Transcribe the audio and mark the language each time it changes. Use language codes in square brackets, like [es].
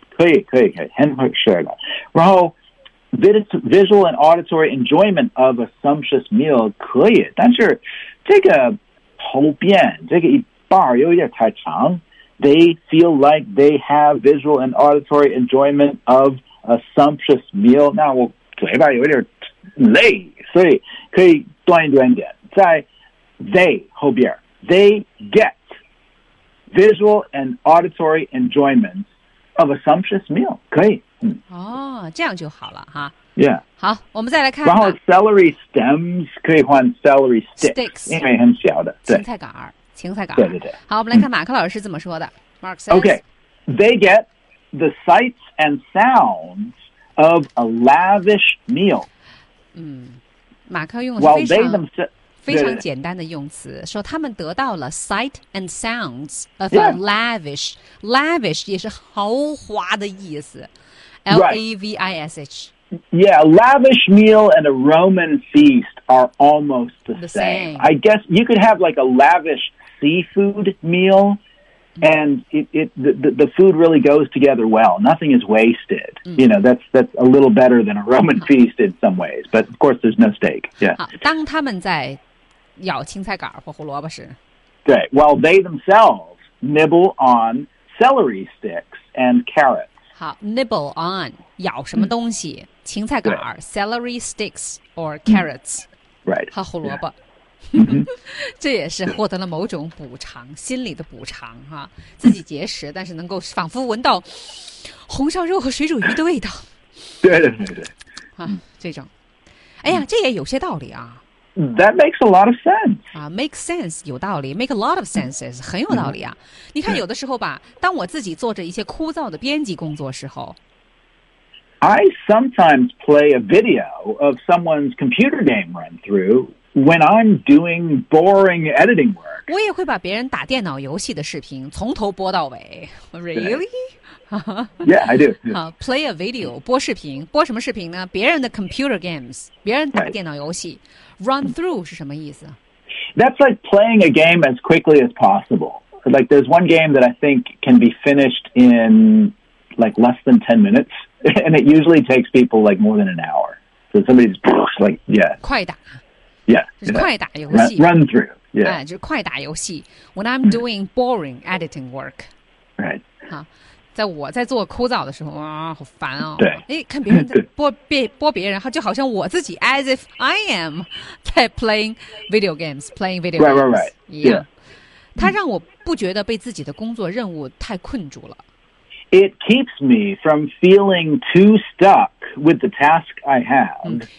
[zh] 可以很好吃的。然后 [en] Visual and auditory enjoyment of a sumptuous meal [zh] 可以，但是这个后边这个一半有点太长。 [en] They feel like they have visual and auditory enjoyment of a sumptuous meal. [zh] 那我嘴巴有点累，所以可以断一断点。在 they 后边 [en] ，they get visual and auditory enjoyment of a sumptuous meal. [zh] 可以。这样就好了哈。 Yeah. 好，我们再来看。然后 celery stems 可以换 celery sticks， 因为很小的。芹菜杆儿，芹菜杆。对。好，我们来看马克老师怎么说的。 [en] Mark says. Okay. They get the sights and sounds of a lavish meal. [zh] 马克用的非常简单的用词，说他们得到了 [en] sight and sounds of a lavish. [zh] Lavish 也是豪华的意思。L-A-V-I-S-H. [en] Yeah, a lavish meal and a Roman feast are almost the same. I guess you could have like a lavish seafood meal, and the food really goes together well. Nothing is wasted. You know, that's a little better than a Roman feast in some ways. But of course, there's no steak. Yeah. [zh] 当他们在咬青菜杆或胡萝卜时。 [en] 对 while they themselves nibble on celery sticks and carrots. [zh] 好 ， [en] nibble on [zh] 咬什么东西？芹菜杆 [en] celery sticks or carrots， right， [zh] 和胡萝卜，这也是获得了某种补偿，心理的补偿哈、自己节食，但是能够仿佛闻到红烧肉和水煮鱼的味道，对，啊，这种，哎呀，这也有些道理啊。 [en] That makes a lot of sense. [zh] Make sense 有道理 ， [en] make a lot of senses [zh] 很有道理啊。你看，有的时候吧，当我自己做着一些枯燥的编辑工作时候 [en] ，I sometimes play a video of someone's computer game run through when I'm doing boring editing work. [zh] 我也会把别人打电脑游戏的视频从头播到尾。 [en] Really? Yeah, I do. Play a video, [zh] 播视频，播什么视频呢？别人的 [en] computer games, [zh] 别人打电脑游戏。 [en] Run through [zh] 是什么意思？ [en] That's like playing a game as quickly as possible. Like there's one game that I think can be finished in like less than 10 minutes, and it usually takes people like more than an hour. So somebody's like, yeah. [zh] 快打。 Yeah. 是快打游戏。 [en] Run through. Yeah. [zh] 就是快打游戏。 [en] When I'm doing boring editing work. Right. [zh] 好。在我在做枯燥的时候啊，好烦哦。对，哎，看别人在播别人，就好像我自己 [en] as if I am [zh] 在 [en] playing video games right, right, right. Yeah. [zh] 他让我不觉得被自己的工作任务太困住了。 [en] It keeps me from feeling too stuck with the task I have.